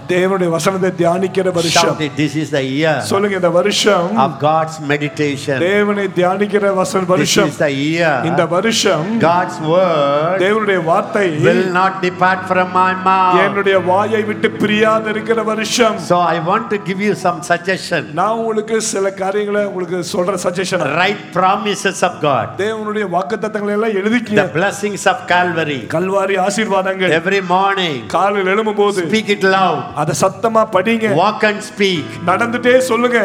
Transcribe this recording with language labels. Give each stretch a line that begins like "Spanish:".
Tamil: தேவனுடைய வசனத்தை தியானிக்கிற வருஷம்
English: this is the year
Tamil: சொல்லுங்க இந்த வருஷம்
English: of god's meditation
Tamil: தேவனை தியானிக்கிற வசன வருஷம்
English: this is the year
Tamil: இந்த வருஷம்
English: god's word
Tamil: தேவனுடைய வார்த்தை
English: will not depart from my mouth
Tamil: என்னுடைய வாயை விட்டு பிரியாத இருக்கிற வருஷம்
English: so I want to give you some suggestion
Tamil: நான் உங்களுக்கு சில காரியங்களை உங்களுக்கு சொல்ற suggestion
English: write promises of god
Tamil: தேவனுடைய வாக்குத்தத்தங்களை எல்லாம் எழுதிக்க
English: the blessings of calvary
Tamil: Kalvari ஆசீர்வாதங்கள்
English: every morning
Tamil: காலையில் எழும்போது
English: speak it loud
Tamil: அத சத்தமா படிங்க.
English: Walk and speak.
Tamil: நடந்துட்டே சொல்லுங்க.